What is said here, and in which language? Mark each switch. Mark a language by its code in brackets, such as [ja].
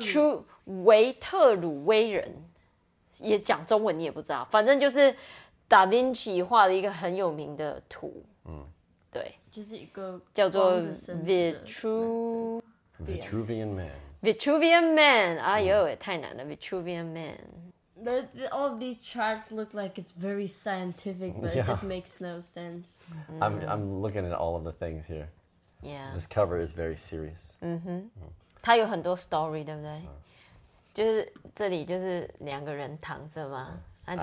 [zh] true 维特鲁威人，也讲中文你也不知道，反正就是达芬奇画了一个很有名的图，对，就是一个叫做光着身子的男生。 [en] Vitruvian Man. [zh] Vitruvian Man，哎呦，也太难了，Vitruvian Man。 [en] All these charts look like it's very scientific, but it just Yeah. makes no sense. I'm looking at all of the things here. This cover is very serious. [zh] 它有很多 story，对不对？就是这里就是两个人躺着嘛，那就